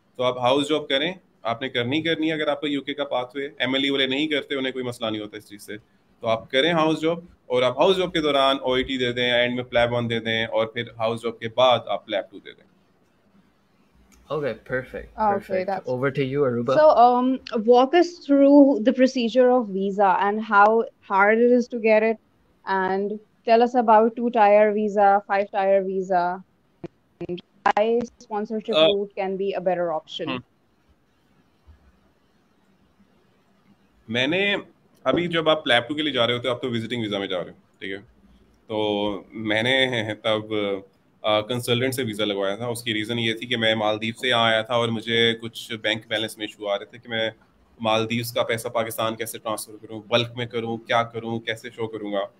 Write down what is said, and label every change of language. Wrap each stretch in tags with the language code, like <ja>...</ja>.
<hi>तो आप house job करें, आपने करनी करनी है, अगर आपको UK का पाथवे MLE वाले नहीं करते, उन्हें कोई मसला नहीं होता इस चीज से, तो आप करें हाउस जॉब, और आप हाउस जॉब के दौरान OIT दे दें, एंड में प्लेब वन दे दें, और फिर हाउस जॉब के बाद आप प्लेब टू दे दें।</hi> <en>Okay, perfect, Okay, perfect. that's Over to you, Aruba. so. Walk us through the procedure of visa and how hard it is to get it, and tell us about two-tier visa, five-tier visa, and why sponsorship route can be a better option.</en> <hi>मैंने अभी जब आप PLAB to के लिए जा रहे होते हो, आप तो विजिटिंग वीजा में जा रहे हो, ठीक है, तो मैंने तब कंसल्टेंट से वीज़ा लगवाया था। उसकी रीज़न ये थी कि मैं मालदीव से यहाँ आया था, और मुझे कुछ बैंक बैलेंस में इशू आ रहे थे कि मैं मालदीव्स का पैसा पाकिस्तान कैसे ट्रांसफ़र करूँ, बल्क में करूँ, क्या करूँ, कैसे शो करूँगा।</hi>